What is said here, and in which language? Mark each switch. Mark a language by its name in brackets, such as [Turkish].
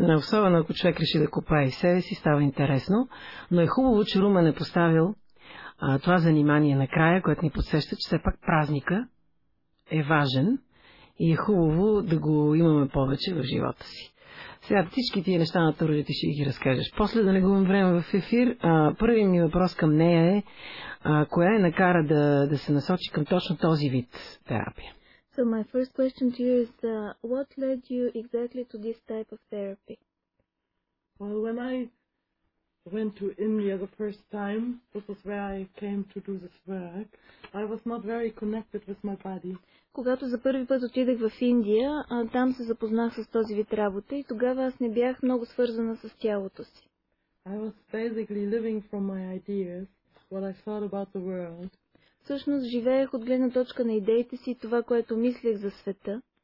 [Bulgarian] Особено ако човек реши да копае и себе си, става интересно. Но е хубаво, че Румен е поставил това занимание на края, което ни подсеща, че все пак празника е важен и е хубаво да го имаме повече в живота си. Сега всички тия неща на Торжи ти ще ги разкажеш. После да не губим време в ефир, първият ми въпрос към нея е, коя е накара да се насочи към точно този вид терапия? [English] So my first question to you is, what led you exactly to this type of therapy? Well, when I went to India the first time, this was where I came to do this work, I was not very connected with my body. [Bulgarian] Когато за първи път отидах в Индия, там се запознах с този вид работа и тогава аз не бях много свързана с тялото си. [English] I was basically living from my ideas, what I thought about the world. [Bulgarian] Всъщност живеех от гледна точка на идеите си и това, което мислех за света.